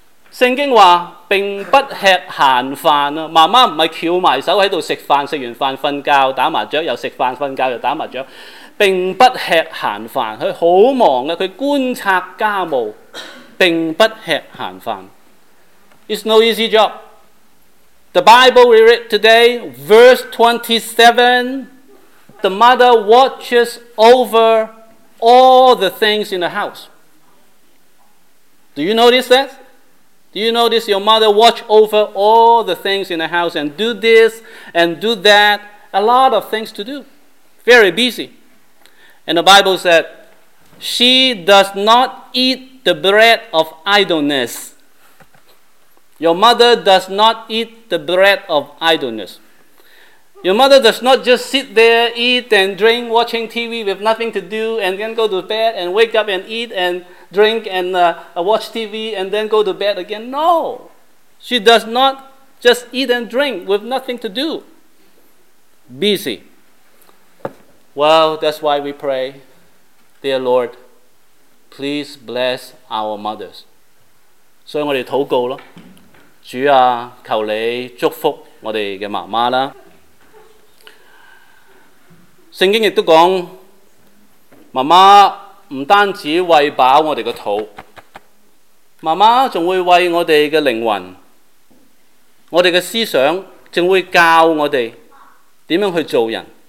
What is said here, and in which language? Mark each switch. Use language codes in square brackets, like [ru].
[yue] 圣经说并不吃闲饭，妈妈不是翘埋手在吃饭，吃完饭睡觉打麻雀又吃饭睡觉又打麻雀，并不吃闲饭，她很忙的，她观察家务并不吃闲饭。 [en] It's no easy job. The Bible we read today, verse 27,The mother watches over all the things in the house. Do you notice that? Do you notice your mother watch over all the things in the house and do this and do that? A lot of things to do. Very busy. And the Bible said, she does not eat the bread of idleness. Your mother does not eat the bread of idleness. Your mother does not just sit there, eat and drink, watching TV with nothing to do, and then go to bed and wake up and eat and drink and watch TV and then go to bed again. No! She does not just eat and drink with nothing to do. Busy. Well, that's why we pray, Dear Lord, please bless our mothers. [yue] 所以我们祷告咯，主啊，求你祝福我们的妈妈啦。圣经亦都讲，妈妈唔单止喂饱我哋个肚，妈妈仲会喂我哋嘅灵魂，我哋嘅思想，仲会教我哋点样去做人。